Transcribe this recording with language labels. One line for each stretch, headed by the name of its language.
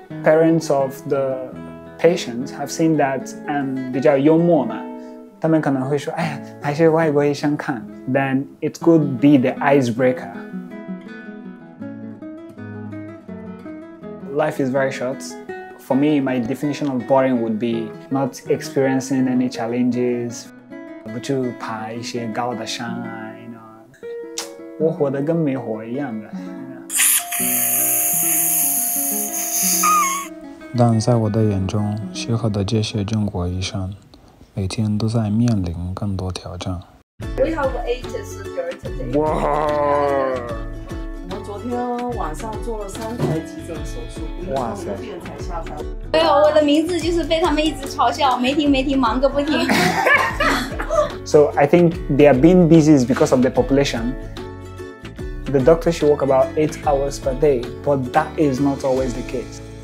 English: Parents of the patients have seen that 比较幽默嘛,
Chinese: 他们可能会说，哎，还是外国医生看。
English: Then it could be the icebreaker. Life is very short. For me, my definition of boring would be not experiencing any challenges.
Chinese: 不去爬一些高的山啊， you know. 我活得跟没活一样的。但在我的眼中，适合的这些中国医生，每天都在面临更多挑战。 We
English: have 8 surgery today.
Chinese: 哇！我们昨天晚上做了三台急诊手术，哇塞！没有，我的名字就是被他们一直嘲笑，没停没停，忙个不停。
English: So I think they are being busy because of the population. The doctor should work about 8 hours per day, but that is not always the case.